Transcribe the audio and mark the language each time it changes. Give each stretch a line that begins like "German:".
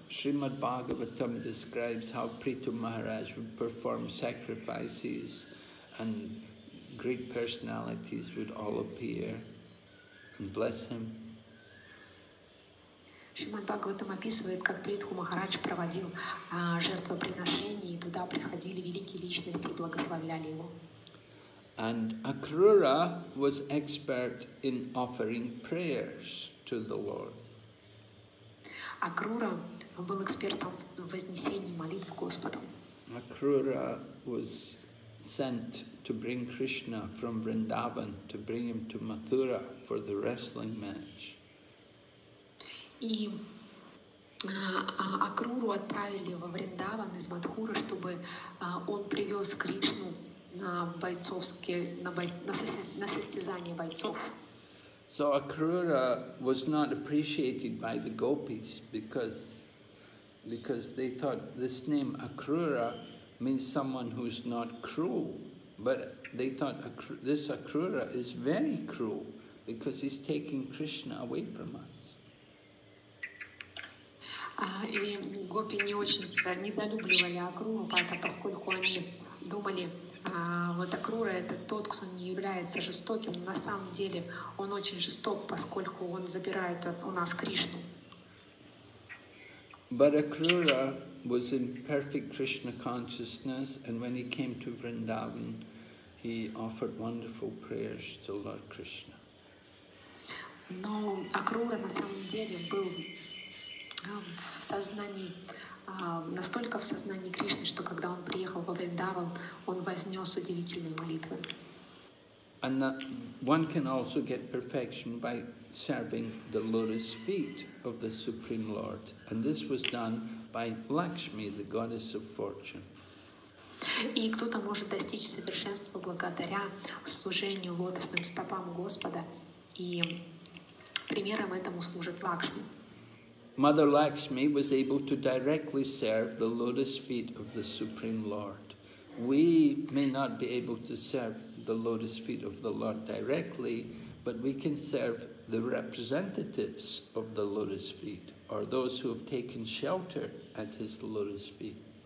English: Srimad Bhagavatam describes how Prithu Maharaj would perform sacrifices and great personalities would all appear and bless him.
Russian: Шримад Бхагаватам описывает, как Притху Махарадж проводил жертвоприношения, и туда приходили великие личности и благословляли его.
English: And Akrura was expert in offering prayers to the Lord.
Russian: Акрура был экспертом в вознесении молитв Господу.
English: Акрура was sent to bring Krishna from Vrindavan, to bring him to Mathura for the wrestling match.
Russian: И Акруру отправили во Вриндаван из Мадхуры, чтобы он привез Кришну на состязание бойцов.
English: So Акрура was not appreciated by the gopis because they thought this name Акрура means someone who's not cruel, but they thought this Акрура is very cruel because he's taking Krishna away from us.
Russian: И гопи не очень недолюбливали Акруру, поскольку они думали, Вот Акрура — это тот, кто не является жестоким, но на самом деле он очень жесток, поскольку он забирает у нас Кришну.
English: But Akrura was in perfect Krishna consciousness, and when he came to Vrindavan, he offered wonderful prayers to Lord Krishna.
Russian: Но Акрура на самом деле был в сознании, настолько в сознании Кришны, что когда он приехал во Вриндаван, он вознес удивительные молитвы.
English: And that one can also get perfection by serving the lotus feet of the Supreme Lord. And this was done by Lakshmi, the goddess of fortune.
Russian: И кто-то может достичь совершенства благодаря служению лотосным стопам Господа. И примером этому служит Лакшми.
English: Mother Lakshmi was able to directly serve the lotus feet of the Supreme Lord. We may not be able to serve the lotus feet of the Lord directly, but we can serve the representatives of the lotus feet, or those who have taken shelter at his lotus feet.